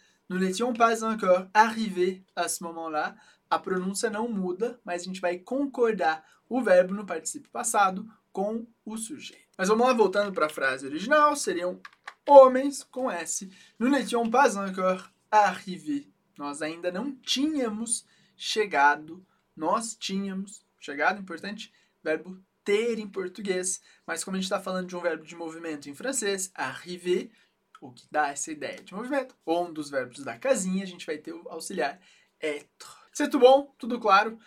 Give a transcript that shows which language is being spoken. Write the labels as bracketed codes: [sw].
[fr] Nous n'étions pas encore arrivés à ce moment-là. [pt] A pronúncia não muda, mas a gente vai concordar o verbo no participio passado com o sujeito. Mas vamos lá, voltando para a frase original, seriam homens com S. [fr] Nous n'étions pas encore arrivés. [pt] Nós ainda não tínhamos chegado. Nós tínhamos chegado, importante, verbo ter em português. Mas como a gente está falando de um verbo de movimento em francês, arriver, o que dá essa ideia de movimento, ou um dos verbos da casinha, a gente vai ter o auxiliar être. Tudo bom? Tudo claro?